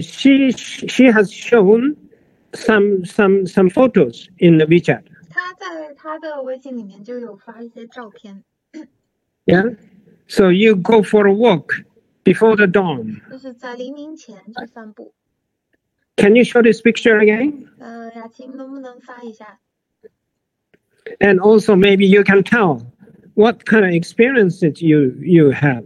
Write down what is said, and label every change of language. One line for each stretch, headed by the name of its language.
English: She has shown some photos in the WeChat.
Chinese: 她在她的微信里面就有发一些照片。
English: Yeah, so you go for a walk before the dawn.
Chinese: 就是在黎明前去散步。
English: Can you show this picture again?
Chinese: 雅琴能不能发一下？
English: And also maybe you can tell. What kind of experiences you have?